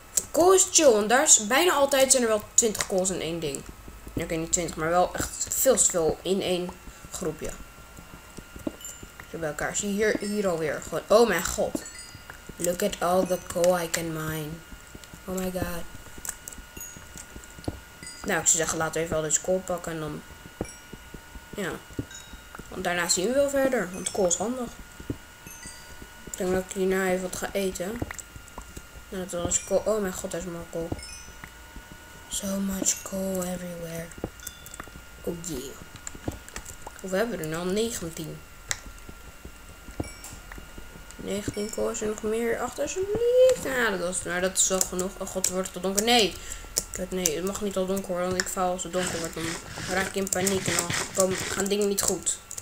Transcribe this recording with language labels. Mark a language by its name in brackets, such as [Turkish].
[Dutch] Coal is chill, want daar is bijna altijd zijn er wel 20 coals in één ding. Oké, niet 20, maar wel echt veel te veel in één groepje. Zo bij elkaar. Zie je hier alweer. Gewoon. Oh mijn god. [English] Look at all the coal I can mine. Oh my god. [Dutch] Nou, ik zou zeggen, laten we even al deze coal pakken en dan. Ja. Want daarna zien we wel verder. Want coal is handig. Ik denk dat ik hierna even wat ga eten. Nou, dat was coal. Oh mijn god, daar is maar coal. [English] So much coal everywhere. Oh yeah. [Dutch] Hoeveel hebben we er nou? 19. 19 coal, is er nog meer achter zijn lief. Nou, dat is wel genoeg. Oh god, wordt het al donker? Nee. Nee, het mag niet al donker worden, want ik val als het donker wordt. Dan raak ik in paniek en dan gaan dingen niet goed.